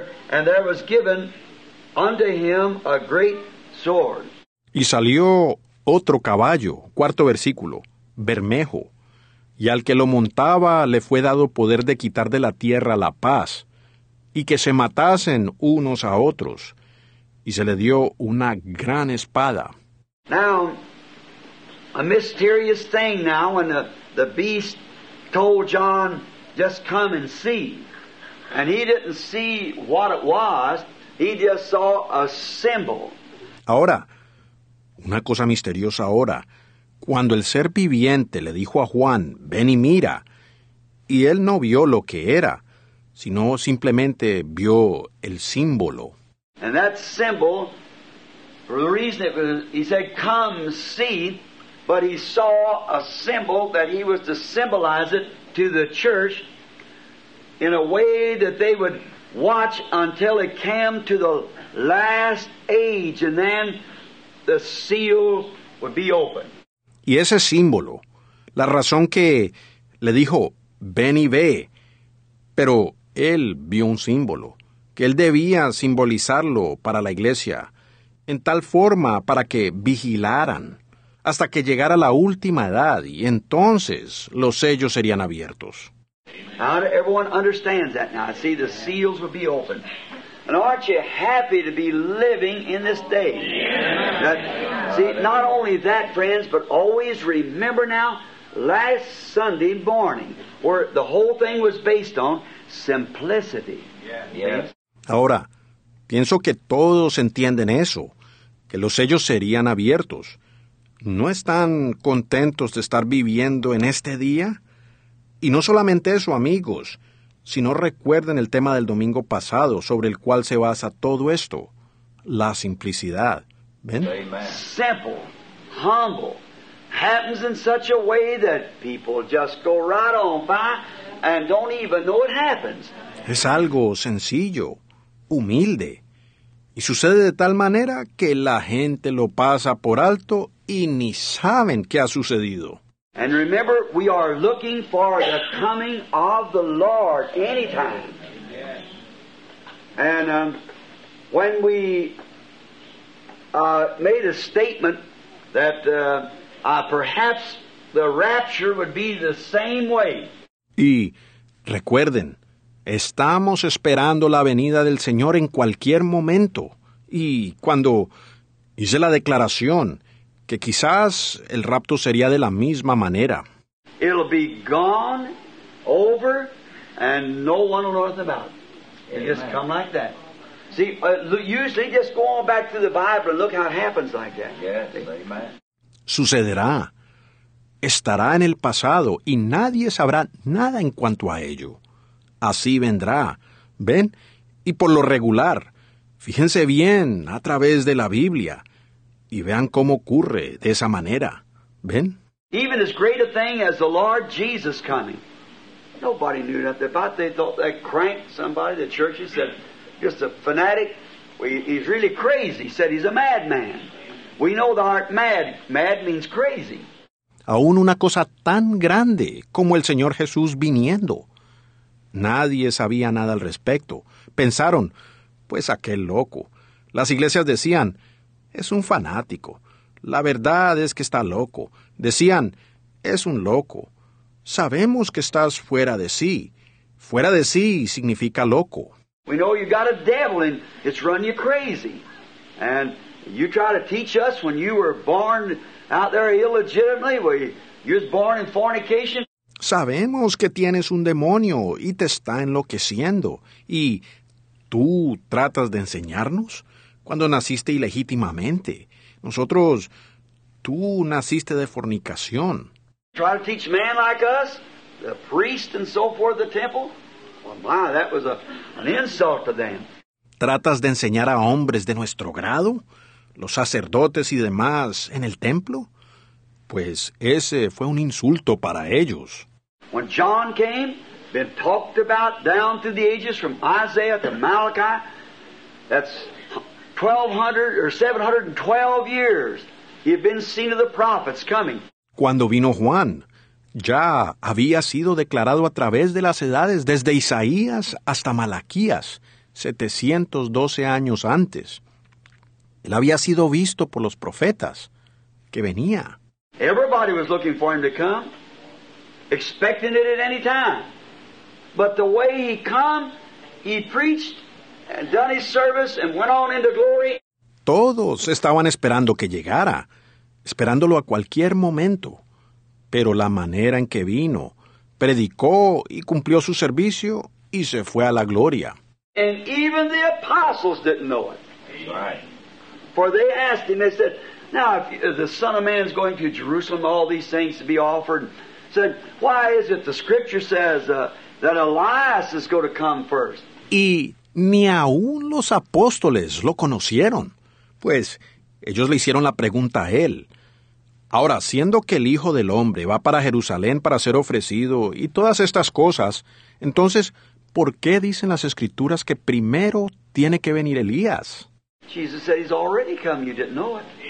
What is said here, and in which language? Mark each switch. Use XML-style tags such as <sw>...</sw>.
<en>And there was given unto him a great sword.</en> <es>Y salió otro caballo, cuarto versículo, bermejo. Y al que lo montaba le fue dado poder de quitar de la tierra la paz, y que se matasen unos a otros. Y se le dio una gran espada.</es> <en>Now, a mysterious thing now, when the beast told John, just come and see. And he didn't see what it was, he just saw a symbol.</en> <es>Ahora, una cosa misteriosa ahora. Cuando el ser viviente le dijo a Juan, ven y mira, y él no vio lo que era, sino simplemente vio el símbolo.</es> <en>And that symbol, for the reason it was, he said, come see, but he saw a symbol that he was to symbolize it to the church in a way that they would watch until it came to the last age, and then the seal would be open.</en> <es>Y ese símbolo, la razón que le dijo, ven y ve, pero él vio un símbolo, que él debía simbolizarlo para la iglesia, en tal forma para que vigilaran hasta que llegara la última edad, y entonces los sellos serían abiertos.</es> <en>Now everyone understands that now. See, the seals will be open. And aren't you happy to be living in this day? Yeah. That, see, not only that, friends, but always remember now, last Sunday morning, where the whole thing was based on simplicity. Yeah. Yeah.</en> <es>Ahora, pienso que todos entienden eso, que los sellos serían abiertos. ¿No están contentos de estar viviendo en este día? Y no solamente eso, amigos, sino recuerden el tema del domingo pasado sobre el cual se basa todo esto, la simplicidad. ¿Ven?</es> <en>Simple, humble, happens in such a way that people just go right on by and don't even know it happens.</en> <es>Es algo sencillo, humilde, y sucede de tal manera que la gente lo pasa por alto y ni saben qué ha sucedido.</es> <en>And remember, we are looking for the coming of the Lord anytime. And when we made a statement that perhaps the rapture would be the same way.</en> <es>Y recuerden, estamos esperando la venida del Señor en cualquier momento. Y cuando hice la declaración, que quizás el rapto sería de la misma manera.</es> <en>It'll be gone, over, and no one will know anything about it. It'll just come like that. See, usually just go on back to the Bible and look how it happens like that. Yes, amen.</en> <es>Sucederá. estará en el pasado y nadie sabrá nada en cuanto a ello. Así vendrá. ¿Ven? Y por lo regular, fíjense bien a través de la Biblia y vean cómo ocurre de esa manera. ¿Ven?</es> <en>Even as great a thing as the Lord Jesus coming. Nobody knew nothing about it. They thought that crank, somebody, the churches said, just a fanatic. He's really crazy. Said he's a madman. We know the heart mad. Mad means crazy.</en> <es>Aún una cosa tan grande como el Señor Jesús viniendo. Nadie sabía nada al respecto. Pensaron, pues aquel loco. Las iglesias decían, es un fanático. La verdad es que está loco. Decían, es un loco. Sabemos que estás fuera de sí. Fuera de sí significa loco.</es> <en>We know you got a devil and it's run you crazy. And you try to teach us when you were born out there illegitimately, where you was born in fornication.</en> <es>Sabemos que tienes un demonio y te está enloqueciendo. ¿Y tú tratas de enseñarnos? Cuando naciste ilegítimamente. Nosotros, tú naciste de fornicación.</es> <en>Try to teach man like us, the priest and so forth, the temple. Well, my, that was an insult to them.</en> <es>¿Tratas de enseñar a hombres de nuestro grado, los sacerdotes y demás, en el templo? Pues ese fue un insulto para ellos.</es> <en>When John came, been talked about down through the ages from Isaiah to Malachi, that's 1,200 or 712 years he had been seen of the prophets coming.</en> <es>Cuando vino Juan, ya había sido declarado a través de las edades desde Isaías hasta Malaquías, 712 años antes. Él había sido visto por los profetas que venía.</es> <en>Everybody was looking for him to come, expecting it at any time. But the way he come, he preached and done his service and went on into glory.</en> <es>Todos estaban esperando que llegara, esperándolo a cualquier momento. Pero la manera en que vino, predicó y cumplió su servicio y se fue a la gloria.</es> <en>And even the apostles didn't know it. Right. For they asked him, they said, now, if the Son of Man is going to Jerusalem, all these things to be offered, said, why is it the Scripture says that Elias is going to come first?</en> <es>Y ni aun los apóstoles lo conocieron, pues ellos le hicieron la pregunta a él. Ahora, siendo que el Hijo del Hombre va para Jerusalén para ser ofrecido y todas estas cosas, entonces, ¿por qué dicen las Escrituras que primero tiene que venir Elías?</es> <en>Jesus said he's already come, you didn't know it.</en>